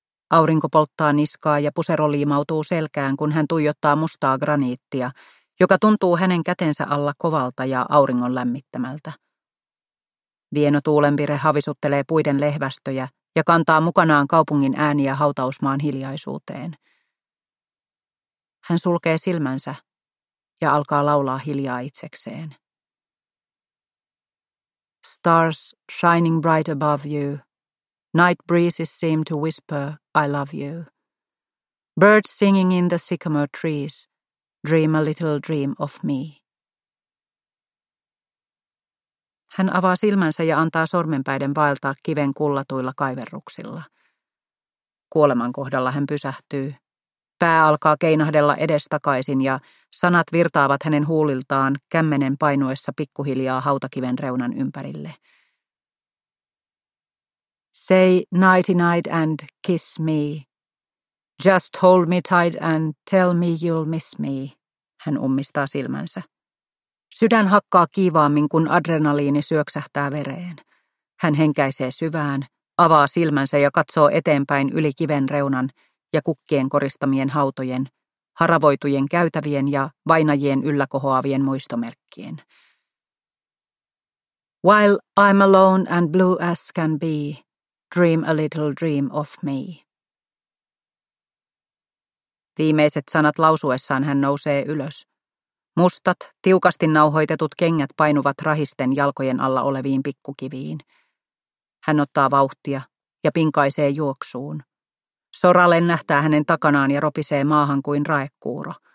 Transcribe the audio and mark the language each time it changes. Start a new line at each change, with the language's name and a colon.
Finnish: Aurinko polttaa niskaa ja pusero liimautuu selkään, kun hän tuijottaa mustaa graniittia, joka tuntuu hänen kätensä alla kovalta ja auringon lämmittämältä. Vieno tuulenvire havisuttelee puiden lehvästöjä ja kantaa mukanaan kaupungin ääniä hautausmaan hiljaisuuteen. Hän sulkee silmänsä ja alkaa laulaa hiljaa itsekseen.
English: Stars shining bright above you. Night breezes seem to whisper, I love you. Birds singing in the sycamore trees. Dream a little dream of me.
Finnish: Hän avaa silmänsä ja antaa sormenpäiden vaeltaa kiven kullatuilla kaiverruksilla. Kuoleman kohdalla hän pysähtyy. Pää alkaa keinahdella edestakaisin ja sanat virtaavat hänen huuliltaan kämmenen painuessa pikkuhiljaa hautakiven reunan ympärille.
English: Say nighty night and kiss me. Just hold me tight and tell me you'll miss me.
Finnish: Hän ummistaa silmänsä. Sydän hakkaa kiivaammin, kun adrenaliini syöksähtää vereen. Hän henkäisee syvään, avaa silmänsä ja katsoo eteenpäin yli kiven reunan ja kukkien koristamien hautojen, haravoitujen käytävien ja vainajien ylläkohoavien muistomerkkien.
English: While I'm alone and blue as can be, dream a little dream of me.
Finnish: Viimeiset sanat lausuessaan hän nousee ylös. Mustat, tiukasti nauhoitetut kengät painuvat rahisten jalkojen alla oleviin pikkukiviin. Hän ottaa vauhtia ja pinkaisee juoksuun. Sora lennähtää hänen takanaan ja ropisee maahan kuin raekuuro.